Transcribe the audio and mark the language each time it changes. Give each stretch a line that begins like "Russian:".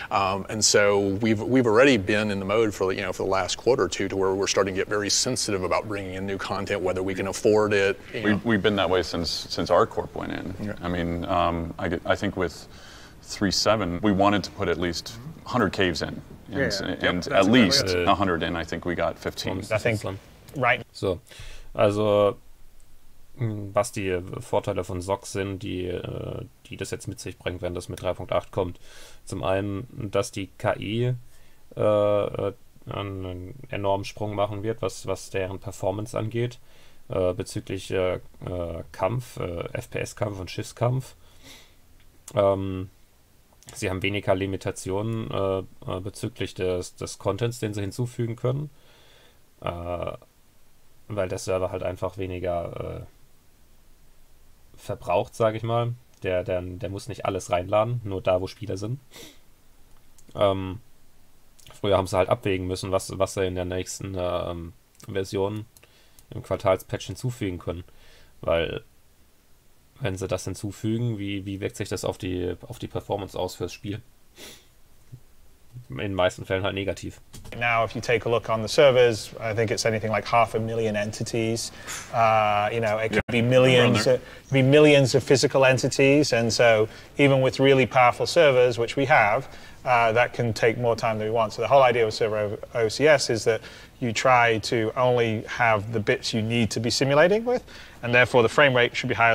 English: And so we've already been in the mode for the last quarter or two, to where we're starting to get very sensitive about bringing in new content, whether we can afford it. We've been that way since our corp went in. Yeah. I mean, I think with 3.7, we wanted to put at least 100 caves in, at least 100, and I think we got 15. I think so. Right.
German: So, also, was die Vorteile von SOC sind, die das jetzt mit sich bringt, wenn das mit 3.8 kommt. Zum einen, dass die KI einen enormen Sprung machen wird, was deren Performance angeht, bezüglich Kampf, FPS-Kampf und Schiffskampf. Sie haben weniger Limitationen bezüglich des Contents, den sie hinzufügen können, weil der Server halt einfach weniger verbraucht, sage ich mal. Der muss nicht alles reinladen, nur da, wo Spieler sind. Früher haben sie halt abwägen müssen, was sie in der nächsten Version im Quartalspatch hinzufügen können, weil, wenn sie das hinzufügen, wie wirkt sich das auf die Performance aus fürs Spiel? In meisten Fällen halt negativ.
English: Now, if you take a look on the servers, I think it's anything like 500,000 entities. It could be millions of physical entities. And so, even with really powerful servers, which we have, that can take more time than we want. So the whole idea of server OCS is that you try to only have the bits you need to be simulating with, and therefore the frame rate should be higher.